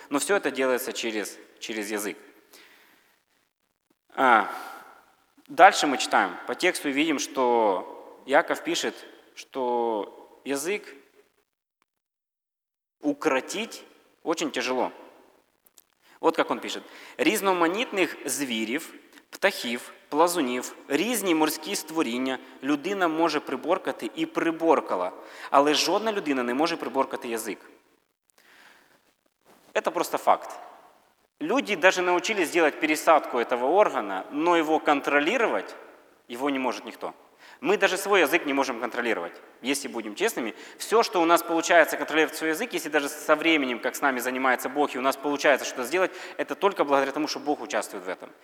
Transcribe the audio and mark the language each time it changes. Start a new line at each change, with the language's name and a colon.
Russian: Но все это делается через язык. Дальше мы читаем по тексту и видим, что Яков пишет, что язык укротить очень тяжело. Вот как он пишет.
Ukrainian: «Різноманітних звірів, птахів, плазунів, різні морські створіння людина може приборкати і приборкала, але жодна людина не може приборкати язик».
Russian: Это просто факт. Люди даже научились делать пересадку этого органа, но его контролировать, его не может никто. Мы даже свой язык не можем контролировать, если будем честными. Все, что у нас получается контролировать свой язык, если даже со временем, как с нами занимается Бог, и у нас получается что-то сделать, это только благодаря тому, что Бог участвует в этом.